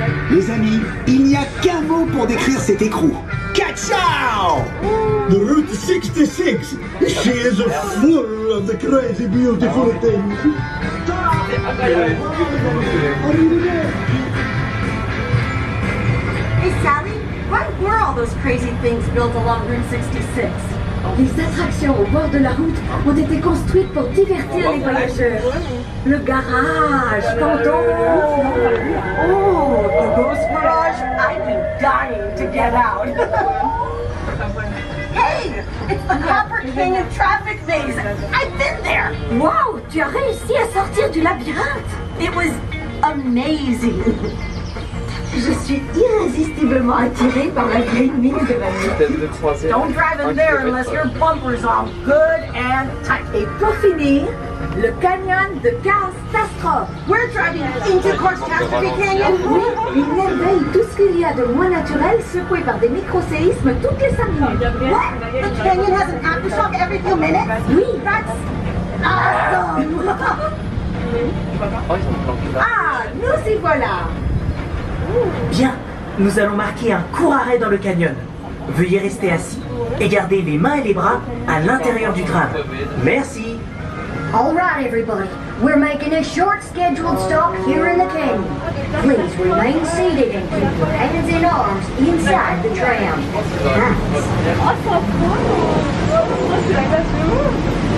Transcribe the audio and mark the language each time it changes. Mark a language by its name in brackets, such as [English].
[French] Les amis, il n'y a qu'un mot pour décrire cet écrou. Ka-chow! [English] The Route 66! She is full of the crazy beautiful things! Hey Sally, why were all those crazy things built along Route 66? [French] Les attractions au bord de la route ont été construites pour divertir les voyageurs. Le garage, pardon. [English] Oh, the ghost garage? I've been dying to get out. Hey, it's the Copper Canyon traffic maze. I've been there. [French] Wow, tu as réussi à sortir du labyrinthe. [English] It was amazing. [French] Je suis irrésistiblement attirée par la green mine de ma vie. [English] Don't drive in there unless your bumper's all good and tight. [French] Et pour finir, le canyon de Catastrophe. [English] We're driving into Catastrophe Canyon. [French] Oui, il merveille tout ce qu'il y a de moins naturel secoué par des micro-séismes toutes les 5 minutes. [English] What? The canyon has an aftershock every few minutes? [French] Oui. [English] That's awesome. [French] Ah, nous y voilà. Bien, nous allons marquer un court arrêt dans le canyon. Veuillez rester assis et garder les mains et les bras à l'intérieur du tram. Merci. [English] All right, everybody. We're making a short scheduled stop here in the canyon. Please remain seated and keep your hands and arms inside the tram. Thanks.